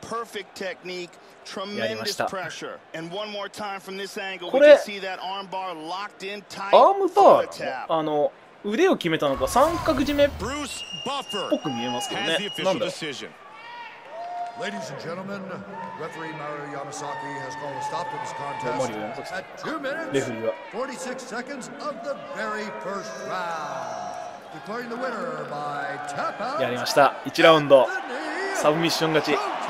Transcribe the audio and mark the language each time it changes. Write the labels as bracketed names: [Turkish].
[Japanese] やりました。これ、アームバール、腕を決めたのか、三角締めっぽく見えますけどね。なんだよ。 [English] Ladies and gentlemen, referee Mario Yamasaki has called a stop to this contest at 2 minutes 46 seconds of the very first round. Declaring the winner by tap out. [Japanese] やりました。 1ラウンド、サブミッション勝ち。